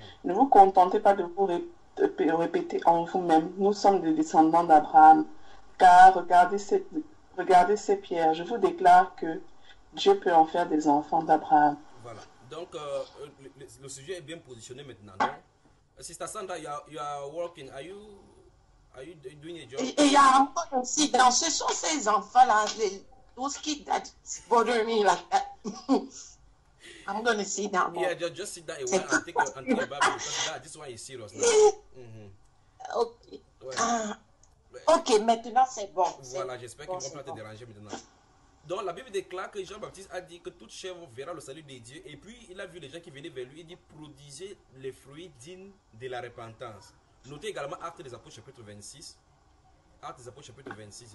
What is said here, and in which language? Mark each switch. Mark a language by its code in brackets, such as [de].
[fr] Ne vous contentez pas de vous répéter en vous-même, nous sommes des descendants d'Abraham, car regardez ces pierres, je vous déclare que Dieu peut en faire des enfants d'Abraham. Voilà, donc le sujet est bien positionné maintenant, non? [en] Sister Sandra, you are working, are you doing a job? [fr] Et il y a encore aussi, dans ce sont ces enfants-là, tous qui [en] bothering me [fr] là. [en] I'm going to sit down. Yeah, just sit down a while and take your Bible, because this one is serious now. [fr] Ok, maintenant c'est bon. Voilà, j'espère qu'ils ne vont pas te déranger maintenant. Donc, la Bible déclare que Jean-Baptiste a dit que toute chèvre verra le salut de Dieu. Et puis, il a vu les gens qui venaient vers lui. Il dit, produisez les fruits dignes de la repentance. Notez également Actes des Apôtres, chapitre 26. Actes des Apôtres, chapitre 26.